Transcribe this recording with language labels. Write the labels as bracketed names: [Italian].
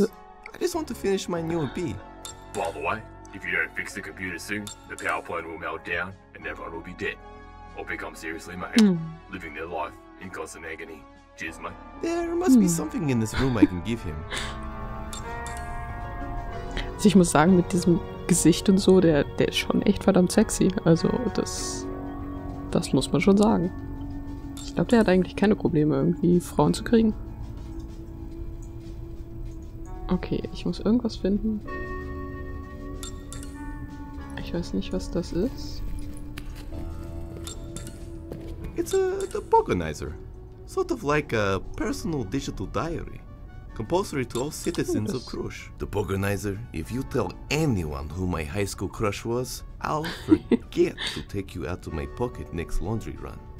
[English] I just want to finish my new OP. By the way, if you don't fix the computer soon, the PowerPoint will melt down and everyone will be dead. Or become seriously mad, living their life in constant agony. Cheers, mate. There must be something in this room I can give him. [German] Also ich muss sagen, mit diesem Gesicht und so, der ist schon echt verdammt sexy. Also das muss man schon sagen. Ich glaube, der hat eigentlich keine Probleme, irgendwie Frauen zu kriegen. Okay, ich muss irgendwas finden. Ich weiß nicht, was das ist. [English] It's a Boganizer. Sort of like a personal digital diary. Compulsory to all citizens of Krush. The Boganizer, if you tell anyone who my high school crush was, I'll forget to take you out of my pocket next laundry run.